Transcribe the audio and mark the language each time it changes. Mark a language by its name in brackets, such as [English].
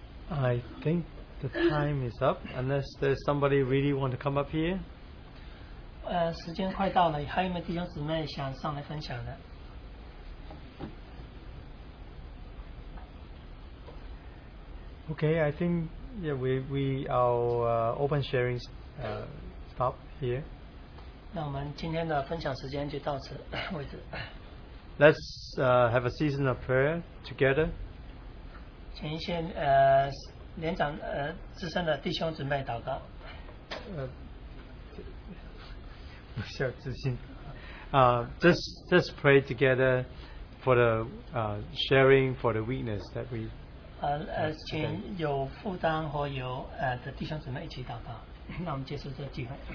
[English] I think the time is up, unless there's somebody really want to come up here. [Chinese] 时间快到了，还有没有弟兄姊妹想上来分享的？ [English] Okay, I think yeah, we our open sharing stop here. [Chinese] 那我们今天的分享时间就到此为止。 [English] Let's have a season of prayer together. [Chinese] 请一些年长资深的弟兄姊妹祷告。不需要自信。 [English] Just pray together for the sharing for the weakness that we. [Chinese] 请有负担和有的弟兄姊妹一起祷告。那我们结束这个机会。